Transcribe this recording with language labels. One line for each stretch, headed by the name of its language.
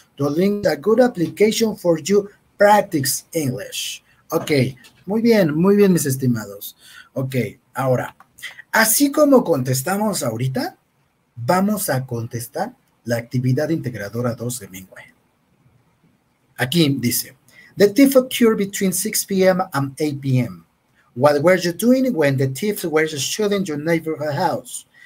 English: Duolingo is a good application for you practice English.
Spanish: Ok, muy bien, mis estimados. Ok, ahora, así como contestamos ahorita, vamos a contestar la actividad integradora 2 de Mingway. Aquí dice,
English: the thief occurred between 6 p.m. and 8 p.m. What were you doing when the thieves were shooting your neighborhood house?